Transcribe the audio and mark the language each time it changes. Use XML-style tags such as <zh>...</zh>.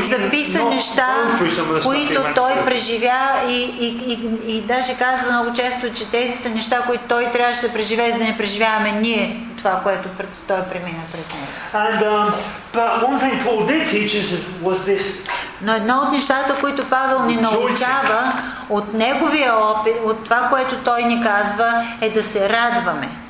<bg>записа неща, които той преживя и даже казва много често, че тези са неща, които той трябваше да преживее, за да не преживяваме ние това, което той премина през него.</bg> <en>But one thing Paul did teach us was this.</en> <bg>Но едно от нещата, които Павел ни научава от неговия опит, от това, което той ни казва, е да се радваме.</bg>